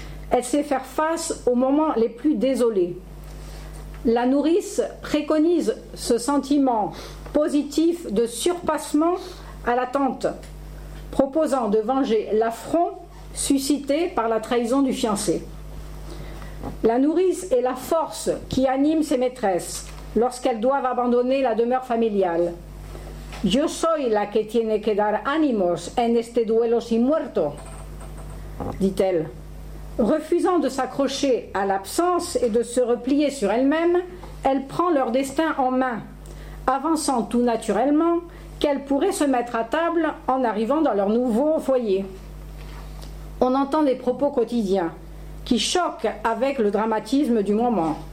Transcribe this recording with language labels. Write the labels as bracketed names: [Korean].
[French] Elle sait faire face aux moments les plus désolés. La nourrice préconise ce sentiment positif de surpassement à la tante, proposant de venger l'affront suscité par la trahison du fiancé. La nourrice est la force qui anime ses maîtresses lorsqu'elles doivent abandonner la demeure familiale. [Spanish] Yo soy la que tiene que dar ánimos en este duelo sin muerto, [French] dit-elle. Refusant de s'accrocher à l'absence et de se replier sur elle-même, elle prend leur destin en main, avançant tout naturellement qu'elle pourrait se mettre à table en arrivant dans leur nouveau foyer. On entend des propos quotidiens qui choquent avec le dramatisme du moment.